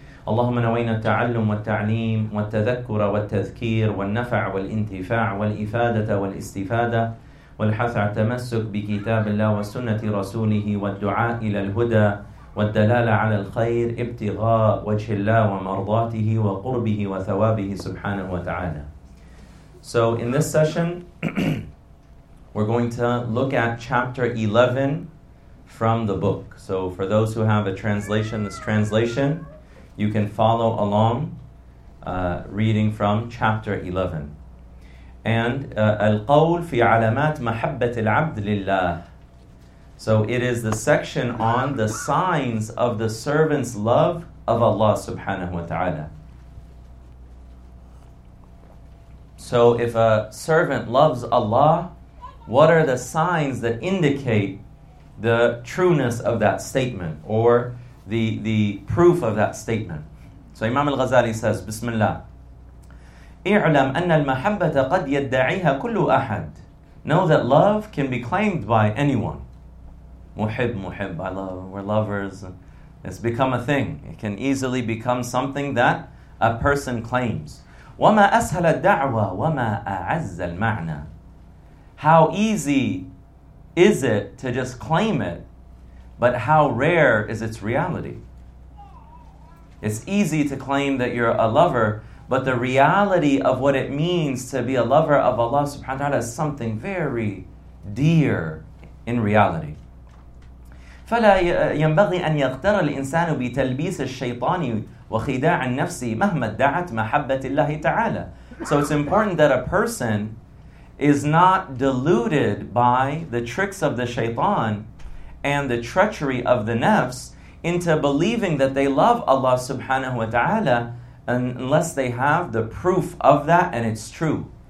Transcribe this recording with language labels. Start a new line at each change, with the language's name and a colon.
Arabic: اللهم نوينا التعلم والتعليم والتذكر والتذكير والنفع والانتفاع والإفادة والاستفادة والحث على التمسك بكتاب الله وسنة رسوله والدعاء إلى الهدى والدلالة على الخير ابتغاء وجه الله ومرضاته وقربه وثوابه سبحانه وتعالى.
English: So in this session, we're going to look at chapter 11 from the book. So for those who have a translation, this translation, you can follow along reading from chapter 11. And
Arabic: القول في علامات محبة العبد لله.
English: So it is the section on the signs of the servant's love of Allah subhanahu wa ta'ala. So if a servant loves Allah, what are the signs that indicate the trueness of that statement or the proof of that statement? So Imam al-Ghazali says, Bismillah.
Arabic: اعلم أن المحبة قد يدعيها كل أحد.
English: Know that love can be claimed by anyone.
Arabic: محب, محب,
English: I love, we're lovers. It's become a thing. It can easily become something that a person claims.
Arabic: وما أسهل الدعوة وما أعز المعنى.
English: How easy is it to just claim it, but how rare is its reality? It's easy to claim that you're a lover, but the reality of what it means to be a lover of Allah subhanahu wa ta'ala is something very dear in reality.
Arabic: فلا ينبغي أن يغتر الإنسان بتلبيس الشيطان وخداع النفس مهما ادعت محبة الله تعالى.
English: So it's important that a person is not deluded by the tricks of the shaitan and the treachery of the nafs into believing that they love Allah subhanahu wa ta'ala unless they have the proof of that and it's true.